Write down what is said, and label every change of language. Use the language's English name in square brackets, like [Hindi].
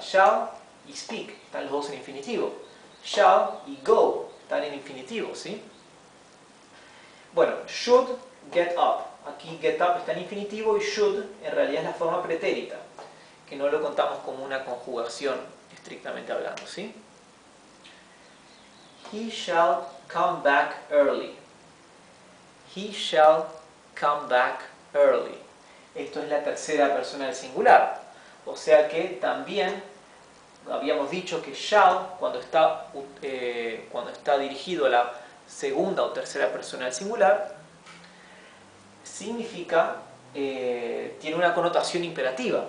[English] Shall y speak, [Spanish] están los dos en infinitivo. [English] Shall y go, [Spanish] están en infinitivo, ¿sí? Bueno, [English] should get up. [Spanish] Aquí get up está en infinitivo y should en realidad es la forma pretérita, que no lo contamos como una conjugación, estrictamente hablando, ¿sí? [English] He shall come back early. He shall come back early. [Spanish] Esto es la tercera persona del singular. O sea que también habíamos dicho que shall, cuando está dirigido a la segunda o tercera persona del singular, significa, tiene una connotación imperativa.